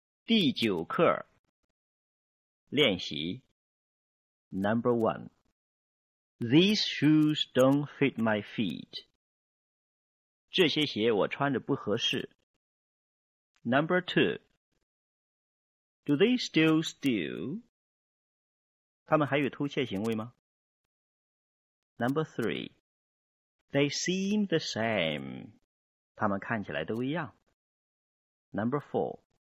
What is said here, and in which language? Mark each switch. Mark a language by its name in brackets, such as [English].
[Chinese] 第九课练习 [English] Number one. These shoes don't fit my feet. [Chinese] 这些鞋我穿着不合适 [English] Number two. Do they still steal? [Chinese] 他们还有偷窃行为吗 [English] Number three. They seem the same. [Chinese] 他们看起来都一样 [English] Number four.